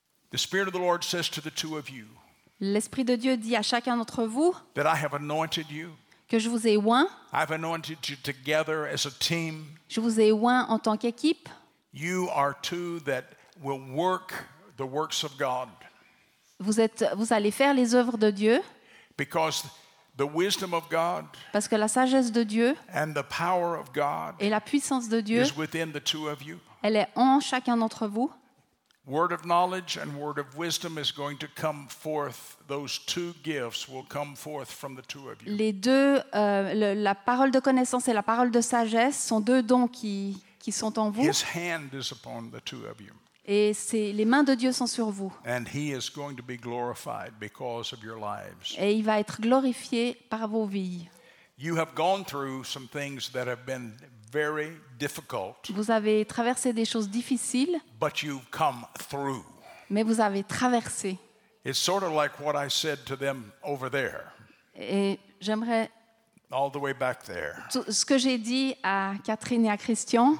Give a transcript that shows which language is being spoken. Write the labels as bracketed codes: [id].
[en] The Spirit of the Lord says to the two of you. [fr] L'Esprit de Dieu dit à chacun d'entre vous. [en] That I have anointed you. [fr] Que je vous ai oint. [en] I've anointed you together as a team. [fr] Je vous ai oint en tant qu'équipe. [en] You are two that will work the works of God. [fr] Vous allez faire les œuvres de Dieu. [en] Because the wisdom of God. [fr] Parce que la sagesse de Dieu. [en] And the power of God. [fr] Et la puissance de Dieu. [en] Is within the two of you. [fr] Elle est en chacun d'entre vous. [en] Word of knowledge and word of wisdom is going to come forth. Those two gifts will come forth from the two of you. [fr] Les deux, la parole de connaissance et la parole de sagesse sont deux dons qui sont en vous. [en] His hand is upon the two of you. [fr] Et les mains de Dieu sont sur vous. [en] And he is going to be glorified because of your lives. [fr] Et il va être glorifié par vos vies. [en] You have gone through some things that have been very difficult. [fr] Vous avez traversé des choses difficiles. [en] But you've come through. [fr] Mais vous avez traversé. [en] It's sort of like what I said to them over there. [fr] Et j'aimerais [en] all the way back there. [fr] Ce que j'ai dit à Catherine et à Christian.